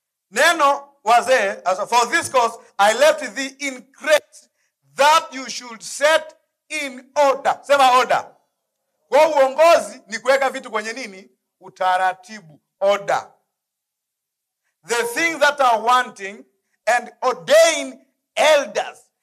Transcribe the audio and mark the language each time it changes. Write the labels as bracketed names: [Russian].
[Swahili] Neno wazee, [English] as for this cause I left thee in Crete that you should set in order. [Swahili] Sema order. Kwa uongozi ni kuweka vitu kwenye nini? Utaratibu, order. [English] The things that are wanting and ordain elders.